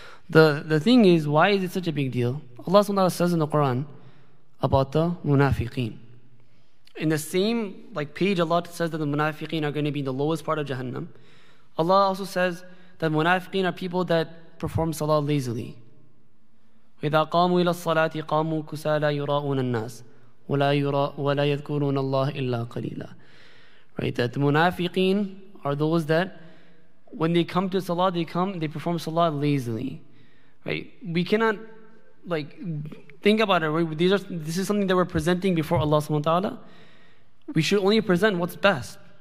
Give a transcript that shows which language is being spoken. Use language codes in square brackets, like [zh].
[en] The thing is, why is it such a big deal? Allah subhanahu wa ta'ala says in the Quran about the munafiqeen. In the same like page, Allah says that the munafiqeen are going to be in the lowest part of Jahannam. Allah also says that munafiqeen are people that perform salah lazily. [ar] إذا قاموا إلى الصلاة قاموا كسالى يراؤون الناس ولا يذكرون الله إلا قليلا. [en] Right, that the munafiqeen are those that when they come to salah, they come, they perform salah lazily. Right, we cannot like think about it. This is something that we're presenting before Allah subhanahu wa ta'ala. We should only present what's best.